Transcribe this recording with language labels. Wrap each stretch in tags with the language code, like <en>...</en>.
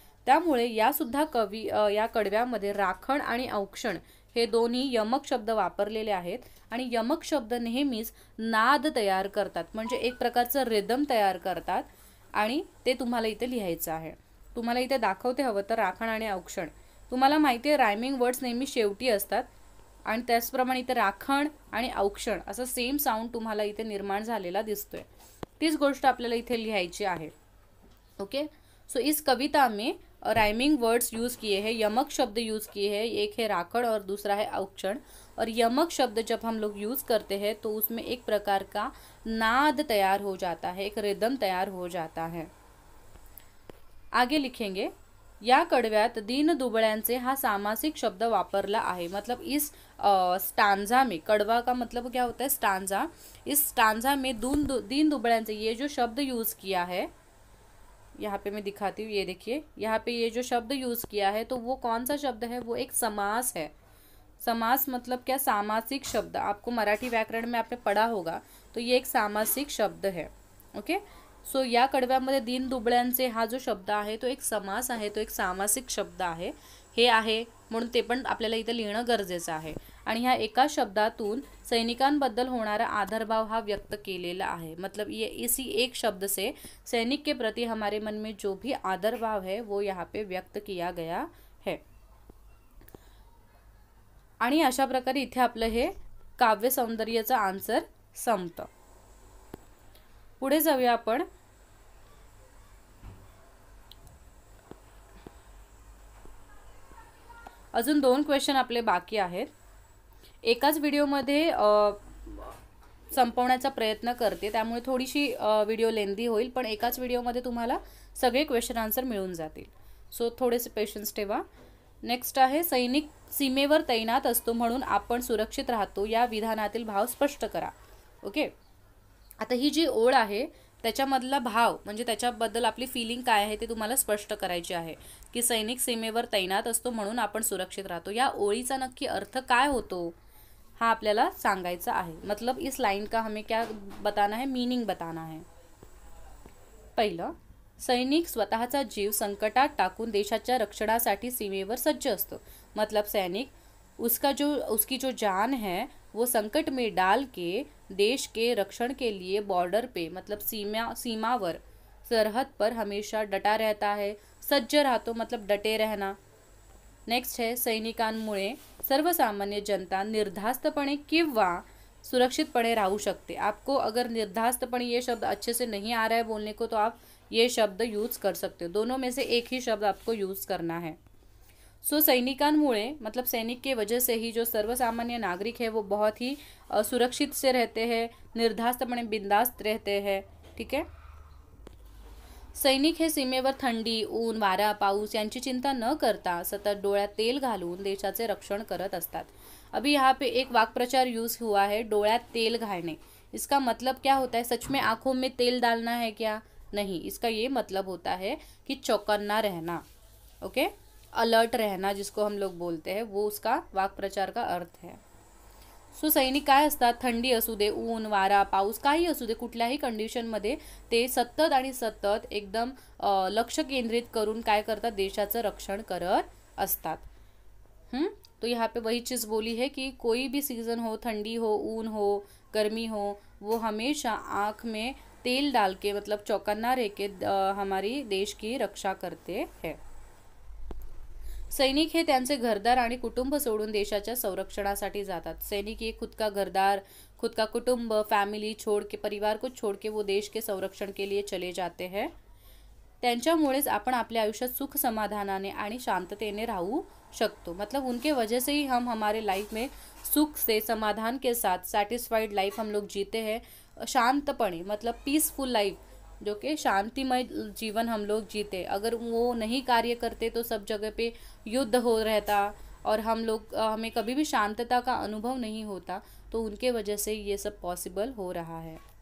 <mr>त्यामुळे यासुद्धा कवी या कडव्यामध्ये राखण आणि औक्षण हे दोन्ही यमक शब्द वापरलेले आहेत, आणि यमक शब्द नेहमीच नाद तयार करतात, म्हणजे एक प्रकारचं रिदम तयार करतात, आणि ते तुम्हाला इथे लिहायचं आहे। तुम्हाला इथे दाखवते हवं तर राखण आणि औक्षण, तुम्हाला माहिती आहे रायमिंग वर्ड्स नेहमी शेवटी असतात, आणि त्याचप्रमाणे इथे राखण आणि औक्षण असं सेम साऊंड तुम्हाला इथे निर्माण झालेला दिसतोय, तीच गोष्ट आपल्याला इथे लिहायची आहे।</mr> <hi>ओके, इस कविता में रायमिंग वर्ड्स यूज किए हैं, यमक शब्द यूज किए हैं, एक है राखण और दूसरा है औक्षण। और यमक शब्द जब हम लोग यूज करते हैं तो उसमें एक प्रकार का नाद तैयार हो जाता है, एक रिदम तैयार हो जाता है।</hi> <mr>आगे लिखेंगे, या कडव्यात दीन दुबळ्यांचे हा सामासिक शब्द वापरला आहे।</mr> <hi>मतलब इस स्टांजा में, कड़वा का मतलब क्या होता है स्टांजा, इस स्टांजा में दीन दुबळ्यांचे ये जो शब्द यूज किया है, यहाँ पे मैं दिखाती हूँ, ये देखिए यहाँ पे ये जो शब्द यूज किया है तो वो कौन सा शब्द है, वो एक समास है। समास मतलब क्या, सामासिक शब्द, आपको मराठी व्याकरण में आपने पढ़ा होगा, तो ये एक सामासिक शब्द है।</hi> <mr>ओके, या कडव्यामध्ये दीन दुबळ्यांचे हा जो शब्द आहे तो एक समास आहे, तो एक सामासिक शब्द आहे हे आहे, म्हणून ते पण आपल्याला इथे लिहिणं गरजेचं आहे। आणि ह्या एका शब्दातून सैनिकांबद्दल होणारा आदरभाव हा व्यक्त केलेला आहे।</mr> <hi>मतलब ये इसी एक शब्द से सैनिक के प्रति हमारे मन में जो भी आदरभाव है वो यहाँ पे व्यक्त किया गया है।</hi> <mr>आणि अशा प्रकारे इथे आपलं हे काव्य सौंदर्याचं आन्सर संपतं। पुढे जाऊया आपण, अजून दोन क्वेश्चन आपले बाकी आहेत, एकाच व्हिडिओमध्ये संपवण्याचा प्रयत्न करते, त्यामुळे थोडीशी व्हिडिओ लेंदी होईल, पण एकाच व्हिडिओमध्ये तुम्हाला सगळे क्वेश्चन आन्सर मिळून जातील, थोडेसे पेशन्स ठेवा। नेक्स्ट आहे, सैनिक सीमेवर तैनात असतो म्हणून आपण सुरक्षित राहतो, या विधानातील भाव स्पष्ट करा। ओके, आता ही जी ओळ आहे त्याच्यामधला भाव म्हणजे त्याच्याबद्दल आपली फीलिंग काय आहे ते तुम्हाला स्पष्ट करायची आहे, की सैनिक सीमेवर तैनात असतो म्हणून आपण सुरक्षित राहतो, या ओळीचा नक्की अर्थ काय होतो हा आपल्याला सांगायचा आहे।</mr> <hi>मतलब इस लाईन का हमें क्या बताना है, मीनिंग बताना है।</hi> <mr>पहिलं, सैनिक स्वतःचा जीव संकटात टाकून देशाच्या रक्षणासाठी सीमेवर सज्ज असतो।</mr> <hi>मतलब सैनिक उसकी जो जान है वो संकट में डाल के देश के रक्षण के लिए बॉर्डर पे मतलब सीमावर सरहद पर हमेशा डटा रहता है, सज्ज रहतों मतलब डटे रहना।</hi> <mr>नेक्स्ट है, सैनिकांमुळे सर्वसामान्य जनता निर्धास्तपणे किंवा सुरक्षितपणे राहू शकते।</mr> <hi>आपको अगर निर्धास्तपणे ये शब्द अच्छे से नहीं आ रहा है बोलने को तो आप ये शब्द यूज़ कर सकते हो, दोनों में से एक ही शब्द आपको यूज़ करना है। सो सैनिकांमुळे मतलब सैनिक के वजह से ही जो सर्वसामान्य नागरिक है वो बहुत ही सुरक्षित से रहते हैं, निर्धास्तपणे बिंदास्त रहते हैं।</hi> <mr>ठीक है, सैनिक हे सीमेवर थंडी ऊन वारा पाऊस यांची चिंता न करता सतत डोळ्यात तेल घालून देशाचे रक्षण करत असतात।</mr> <hi>अभी यहाँ पे एक वाक्प्रचार यूज़ हुआ है,</hi> <mr>डोळ्यात तेल घालणे,</mr> <hi>इसका मतलब क्या होता है? सच में आँखों में तेल डालना है क्या? नहीं, इसका ये मतलब होता है कि चौकन्ना रहना, ओके, अलर्ट रहना जिसको हम लोग बोलते हैं, वो उसका वाक्प्रचार का अर्थ है।</hi> <mr>सो सैनिक काय असतात? थंडी असू दे, ऊन वारा पाऊस काही असू दे, कुठल्याही कंडिशनमध्ये ते सतत आणि सतत एकदम लक्ष केंद्रित करून काय करतात? देशाचं रक्षण करत असतात।</mr> <hi>तो यहाँ पे वही चीज़ बोली है कि कोई भी सीज़न हो, ठंडी हो, ऊन हो, गर्मी हो, वो हमेशा आँख में तेल डाल के मतलब चौकन्ना रह के हमारी देश की रक्षा करते हैं।</hi> <mr>सैनिक हे त्यांचे घरदार आणि कुटुंब सोडून देशाच्या संरक्षणासाठी जातात।</mr> <hi>सैनिक हे खुद का घरदार, खुद का कुटुंब, फॅमिली छोड के, परिवार को छोड के वो देश के संरक्षण के लिए चले जाते हैं।</hi> <mr>त्यांच्यामुळेच आपण आपल्या आयुष्यात सुख समाधानाने आणि शांततेने राहू शकतो।</mr> <hi>मतलब उनके वजह से ही हम हमारे लाइफ में सुख से, समाधान के साथ, सैटिस्फाइड लाइफ हम लोग जीते हैं, शांतपणे मतलब पीसफुल लाइफ, जो कि शांतिमय जीवन हम लोग जीते। अगर वो नहीं कार्य करते तो सब जगह पे युद्ध हो रहता और हम लोग हमें कभी भी शांतता का अनुभव नहीं होता, तो उनके वजह से ये सब पॉसिबल हो रहा है।</hi>